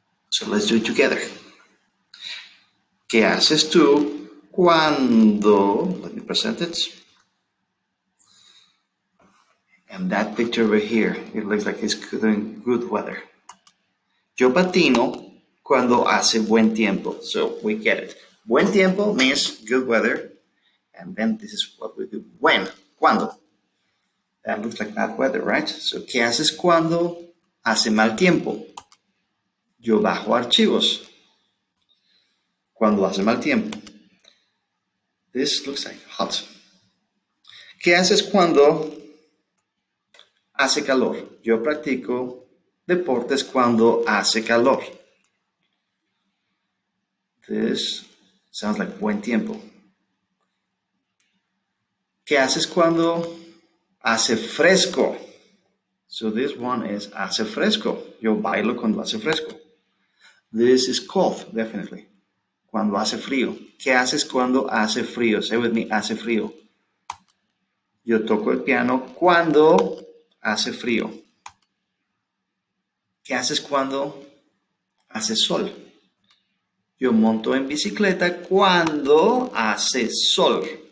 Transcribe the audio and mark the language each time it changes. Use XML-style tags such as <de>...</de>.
<en>So let's do it together.</en> <es>¿Qué haces tú cuando?</es> <en>Let me present it. And that picture over here, it looks like it's doing good weather.</en> <es>Yo patino cuando hace buen tiempo.</es> <en>So we get it. Buen tiempo means good weather. And then this is what we do. When? Cuando? That looks like bad weather, right?</en> <es>So, ¿qué haces cuando hace mal tiempo? Yo bajo archivos. Cuando hace mal tiempo.</es> <en>This looks like hot.</en> <es>¿Qué haces cuando hace calor? Yo practico deportes cuando hace calor.</es> <en>This sounds like buen tiempo.</en> <es>¿Qué haces cuando hace fresco?</es> <en>So this one is</en> <es>hace fresco. Yo bailo cuando hace fresco.</es> <en>This is cold, definitely.</en> <es>Cuando hace frío. ¿Qué haces cuando hace frío?</es> <en>Say with me,</en> <es>hace frío. Yo toco el piano cuando hace frío. ¿Qué haces cuando hace sol? Yo monto en bicicleta cuando hace sol.</es>